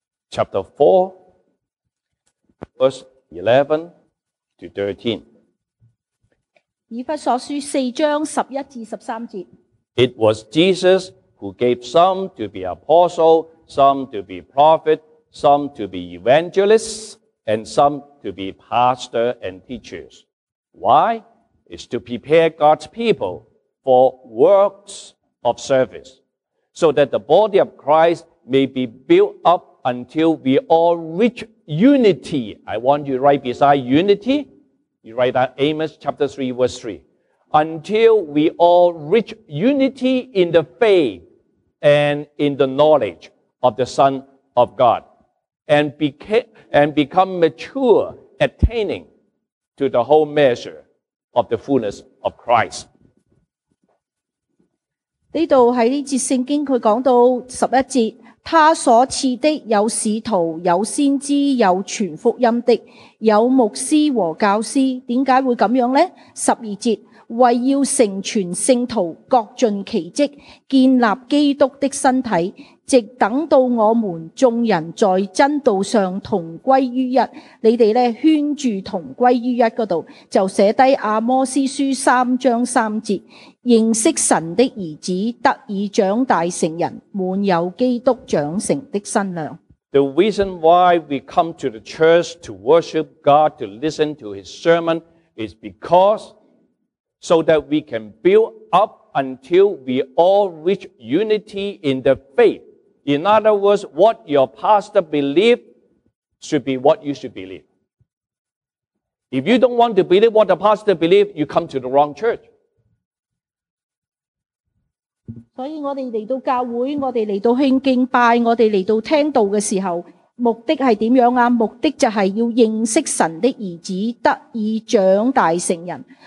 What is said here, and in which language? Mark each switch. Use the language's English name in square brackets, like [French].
[English] Chapter 4, verse 11 to 13. [Chinese] 以弗所书四章十一至十三节。 [English] It was Jesus who gave some to be apostle, some to be prophet, some to be evangelists, and some to be pastor and teachers. Why? It's to prepare God's people for works of service, so that the body of Christ may be built up until we all reach unity. I want you to write beside unity. You write that Amos chapter 3, verse 3. Until we all reach unity in the faith and in the knowledge of the Son of God, and become mature, attaining to the whole measure of the fullness of Christ. [Chinese] 这里在这节圣经，他讲到十一节， 他所赐的有使徒、有先知、有传福音的、有牧师和教师， 为什么会这样呢？十二节， 为要成全圣徒，各尽其职， 建立基督的身体， 直等到我们众人在真道上同归于一。你们圈住同归于一那里， 就写下《阿摩斯书》3:3， 认识神的儿子，得以长大成人， 满有基督长成的身量。 [English] The reason why we come to the church to worship God, to listen to His sermon, is because so that we can build up until we all reach unity in the faith. In other words, what your pastor believes should be what you should believe. If you don't want to believe what the pastor believes, you come to the wrong church. [Chinese] 所以我们来到教会，我们来到敬拜，我们来到听道的时候， 目的是怎样啊？目的就是要认识神的儿子，得以长大成人。